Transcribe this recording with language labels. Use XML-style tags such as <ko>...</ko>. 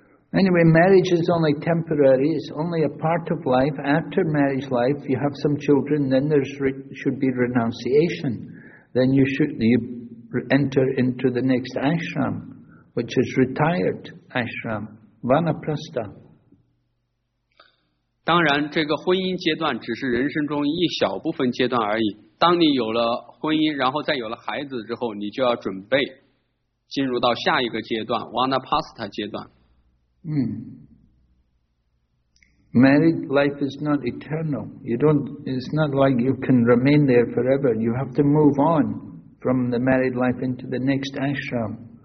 <en>Anyway, marriage is only temporary. It's only a part of life. After marriage life, you have some children, then there should be renunciation. Then you enter into the next ashram, which is retired ashram, Vanaprastha.</en> <zh>当然这个婚姻阶段只是人生中一小部分阶段而已，当你有了婚姻然后再有了孩子之后，你就要准备进入到下一个阶段 Vanaprastha 阶段。</zh> <en>Married life is not eternal. It's not like you can remain there forever. You have to move on from the married life into the next ashram.</en>